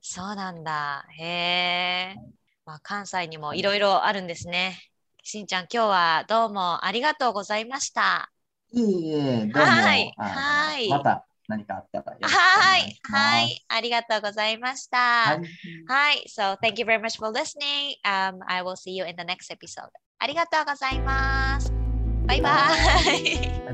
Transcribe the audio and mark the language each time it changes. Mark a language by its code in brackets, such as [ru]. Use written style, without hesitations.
[ja] そうなんだ。へえ。まあ、関西にもいろいろあるんですね。しんちゃん、今日はどうもありがとうございました。いえいえ、どうも、また何かあったらよろしくお願いします。ありがとうございました。 [en] So thank you very much for listening. I will see you in the next episode. [ja] ありがとうございます。バイバイ。